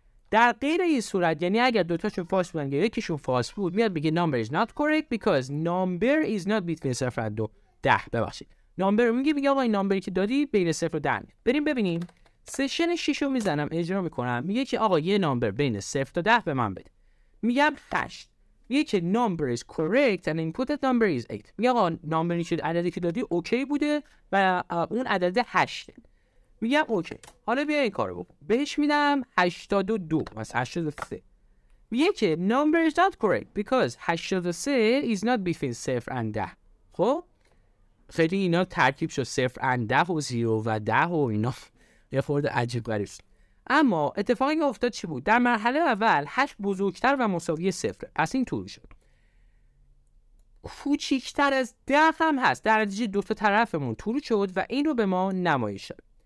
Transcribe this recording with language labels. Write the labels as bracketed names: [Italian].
[Persian] در غیر این صورت، یعنی اگر دوتاشون فالس بودن یا یکیشون فالس بود، میاد میگه [English] number is not correct because number is not between 0 and 10. [Persian] ببخشید نمبر میگه، میگه آقا این نمبری که دادی بین 0 و 10. بریم ببینیم سشن 6 رو میزنم اجرا میکنم، میگه که آقا یه نمبر بین 0 تا 10 به من بده. میگم 8. میگه که [English] number is correct and input number is 8. [Persian] میگه آقا نمبری که عددی که دادی اوکی بوده و اون عدد 8. میگم اوکی، حالا بیا این کارو بکن. بهش میدم 82 مثلا 83. میگه که [English] number is not correct because 83 is not between 0 and 10. [Persian] خب خیلی اینا ترکیب شد، [English] 0 and 10 [Persian] و 0 و 10 و اینا یه فرد عجیب غریب شد. اما اتفاقی که افتاد چی بود؟ در مرحله اول 8 بزرگتر و مساوی 0، پس این طور شد. کوچیکتر از 10 هم هست، در نتیجه دو تا طرفمون طور شد و اینو به ما نمایش داد.